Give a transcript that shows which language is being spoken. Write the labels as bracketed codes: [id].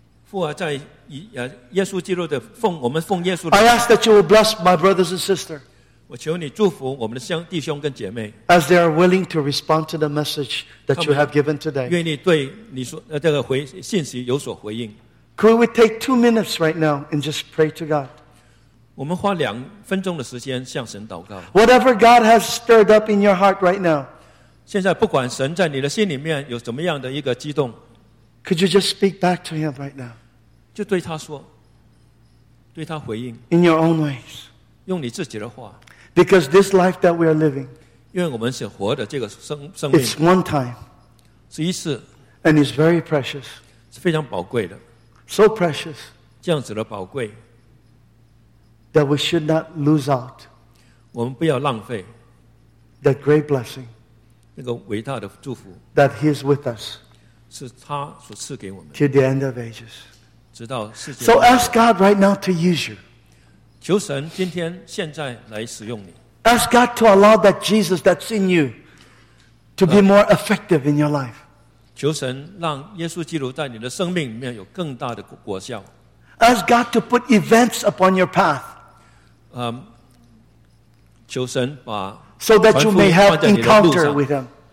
[zh] 父啊,在耶稣基督的,我们奉耶稣的, [en] I ask that you will bless my brothers and sisters [zh] 我求你祝福我们的弟兄跟姐妹, [en] as they are willing to respond to the message that you have given today. [zh] 愿意对你说这个回信息有所回应。 [en] Could we take 2 minutes right now and just pray to God? [zh] 我们花2分钟的时间向神祷告。 [en] Whatever God has stirred up in your heart right now, [zh] 现在不管神在你的心里面有怎么样的一个激动, [en] could you just speak back to him right now? [zh] 就对他说, 对他回应, [en] in your own ways. [zh] 用你自己的话。 [en] Because this life that we are living, it's one time, and it's very precious, so precious, that we should not lose out that great blessing that He is with us to the end of ages. So ask God right now to use you. [zh] 求神今天现在来使用你。 [en] Ask God to allow that Jesus that's in you to be more effective in your life. [zh] 求神让耶稣基督在你的生命里面有更大的果效。 [en] Ask God to put events upon your path. [zh] 求神把 [en] so that you may have encounter with Him.